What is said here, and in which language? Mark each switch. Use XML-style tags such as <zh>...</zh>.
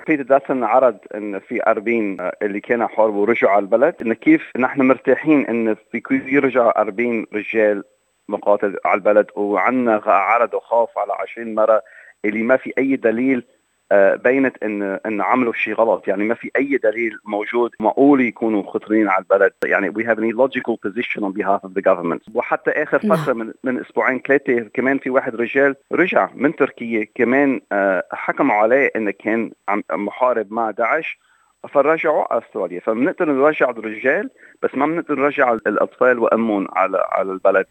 <ar>بيتر داتن عرض أن في 40 اللي كانوا حاربوا رجعوا على البلد، أن كيف نحن مرتاحين أن في يرجع 40 رجال مقاتل على البلد، وعنا عرض وخاف على 20 مرة اللي ما في أي دليل بينت إن عملوا شيء غلط، يعني ما في أي دليل موجود معقول يكونوا خطرين على البلد.</ar> <en>يعني we have an illogical position on behalf of the government.</en> <ar>وحتى آخر فترة من أسبوعين ثلاثة كمان في واحد رجال رجع من تركيا، كمان حكموا عليه إنه كان محارب مع داعش، فرجعوا أستراليا. فمنقدر نرجع الرجال بس ما منقدر نرجع الأطفال وأمون على البلد.</ar>